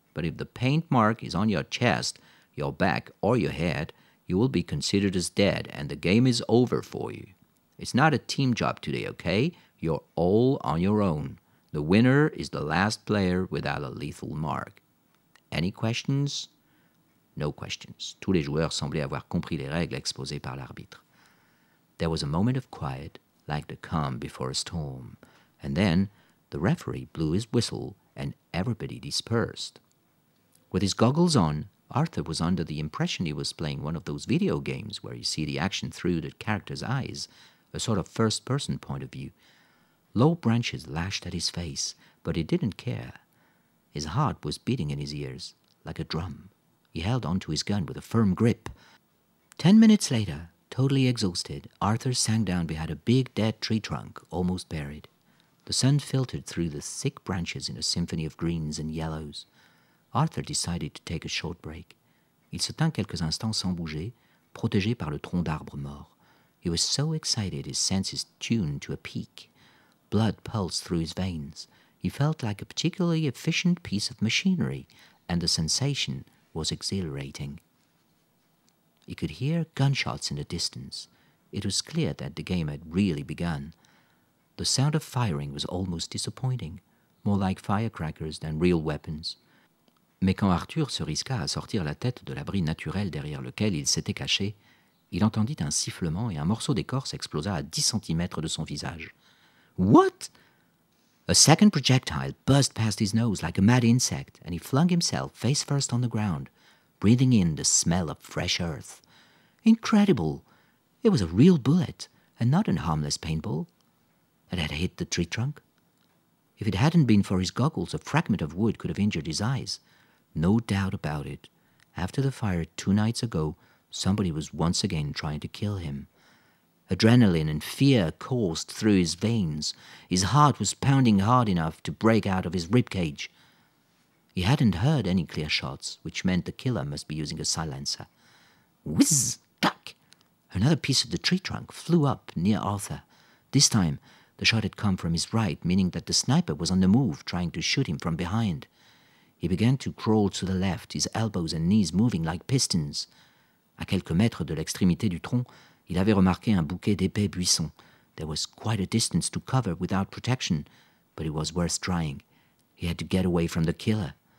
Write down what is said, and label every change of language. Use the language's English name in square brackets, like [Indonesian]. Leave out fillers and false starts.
[English] But if the paint mark is on your chest, your back, or your head, you will be considered as dead and the game is over for you. It's not a team job today, okay? You're all on your own. The winner is the last player without a lethal mark. Any questions? No questions. [French] Tous les joueurs semblaient avoir compris les règles exposées par l'arbitre. [English] There was a moment of quiet, like the calm before a storm. And then the referee blew his whistle and everybody dispersed. With his goggles on, Arthur was under the impression he was playing one of those video games where you see the action through the character's eyes, a sort of first-person point of view. Low branches lashed at his face, but he didn't care. His heart was beating in his ears, like a drum. He held onto his gun with a firm grip. 10 minutes later, totally exhausted, Arthur sank down behind a big dead tree trunk, almost buried. The sun filtered through the thick branches in a symphony of greens and yellows. Arthur decided to take a short break. [French] Il se tint quelques instants sans bouger, protégé par le tronc d'arbre mort. [English] He was so excited his senses tuned to a peak. Blood pulsed through his veins. He felt like a particularly efficient piece of machinery, and the sensation was exhilarating. He could hear gunshots in the distance. It was clear that the game had really begun. The sound of firing was almost disappointing, more like firecrackers than real weapons. [French] Mais quand Arthur se risqua à sortir la tête de l'abri naturel derrière lequel il s'était caché, il entendit un sifflement et un morceau d'écorce explosa à 10 centimètres de son visage. [English] What? A second projectile burst past his nose like a mad insect, and he flung himself face first on the ground, breathing in the smell of fresh earth. Incredible! It was a real bullet, and not a harmless paintball. It had hit the tree trunk. If it hadn't been for his goggles, a fragment of wood could have injured his eyes. No doubt about it. After the fire 2 nights ago, somebody was once again trying to kill him. Adrenaline and fear coursed through his veins. His heart was pounding hard enough to break out of his ribcage. He hadn't heard any clear shots, which meant the killer must be using a silencer. Whizz! Clack! Another piece of the tree trunk flew up near Arthur. This time, the shot had come from his right, meaning that the sniper was on the move, trying to shoot him from behind. He began to crawl to the left, his elbows and knees moving like pistons. [French] À quelques mètres de l'extrémité du tronc, il avait remarqué un bouquet d'épais buissons. [English] There was quite a distance to cover without protection, but it was worth trying. He had to get away from the killer.